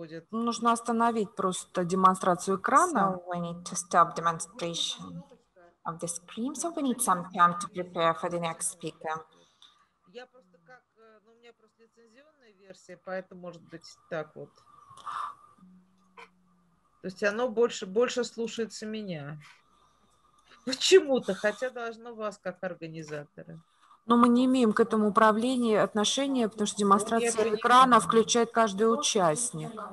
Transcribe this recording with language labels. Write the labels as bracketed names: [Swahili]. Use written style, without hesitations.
[Russian] Нужно остановить просто демонстрацию экрана. [English] So we need to stop demonstration of the screen. So we need some time to prepare for the next speaker. [Russian] Я просто как, у меня меня просто лицензионная версия, поэтому может быть так вот. То есть оно больше слушается меня. Почему-то, хотя должно вас как организатора. Но мы не имеем к этому управления отношения, потому что демонстрация экрана включает каждый участник.